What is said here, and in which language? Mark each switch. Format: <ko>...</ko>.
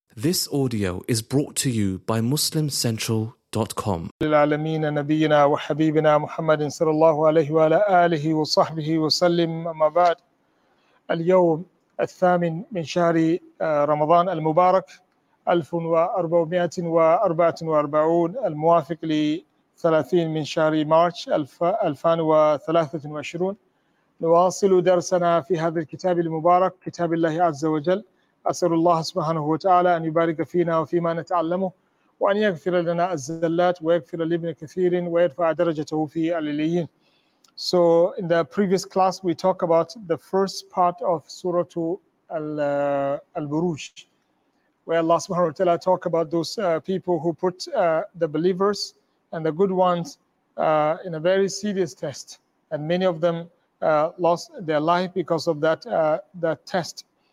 <en>This audio is brought to you by MuslimCentral.com.</en> <ar>للعالمين نبينا وحبيبنا محمد صلى الله عليه وعلى آله وصحبه وسلم أما بعد اليوم الثامن من شهر رمضان المبارك 1444 الموافق لثلاثين من شهر مارس 2023 نواصل درسنا في هذا الكتاب المبارك كتاب الله عز وجل أسأل الله سبحانه وتعالى أن يبارك فينا وفيما نتعلمه وأن يغفر لنا الزلات ويغفر لابن كثير ويرفع درجته في العليين.</ar> <en>So in the previous class we talk about the first part of Surah Al-Buruj where Allah subhanahu wa ta'ala talk about those people who put the believers and the good ones in a very serious test, and many of them lost their life because of that test.</en>